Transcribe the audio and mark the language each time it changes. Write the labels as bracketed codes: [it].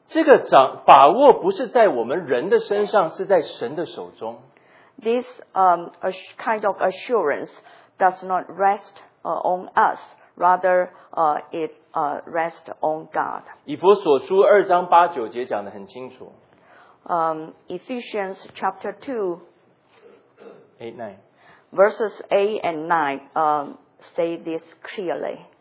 [zh] 这个把握不是在我们人的身上，是在神的手中。 [en] This kind of assurance does not rest on us. Rather, it rests on God. [zh] 以弗所书2章8-9节讲得很清楚。 [en] Ephesians chapter 2, verses 8 and 9 say this clearly.